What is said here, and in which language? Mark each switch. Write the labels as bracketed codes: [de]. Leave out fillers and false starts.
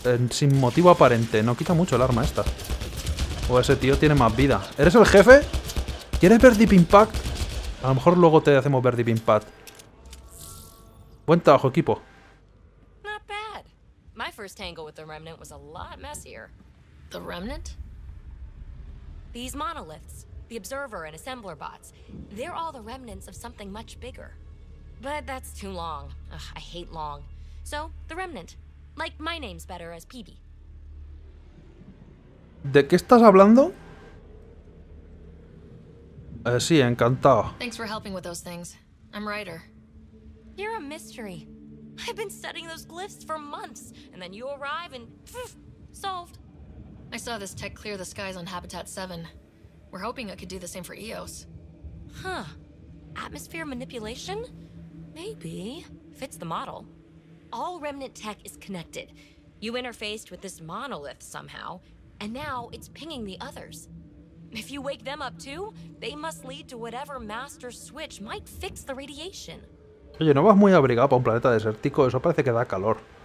[es] Sin motivo aparente. No quita mucho el arma esta. O ese tío tiene más vida. ¿Eres el jefe? ¿Quieres ver Deep Impact? A lo mejor luego te hacemos ver Deep Impact. Buen trabajo, equipo. No está mal. Mi primer tango con el Remnant fue mucho más difícil. ¿El Remnant? [en] These monoliths, the observer and assembler bots, they're all the remnants of something much bigger. But that's too long. Ugh, I hate long. So, the remnant. Like my name's better as PB. [es] ¿De qué estás hablando? Sí, encantado. [en] Thanks for helping with those things. I'm Ryder. You're a mystery. I've been studying those glyphs for months, and then you arrive and pff, solved. I saw this tech clear the skies on Habitat 7. We're hoping it could do the same for Eos. Huh. Atmosphere manipulation? Maybe. Fits the model. All remnant tech is connected. You interfaced with this monolith somehow, and now it's pinging the others. If you wake them up too, they must lead to whatever master switch might fix the radiation. [es] Oye, no vas muy abrigado para un planeta desértico, eso parece que da calor.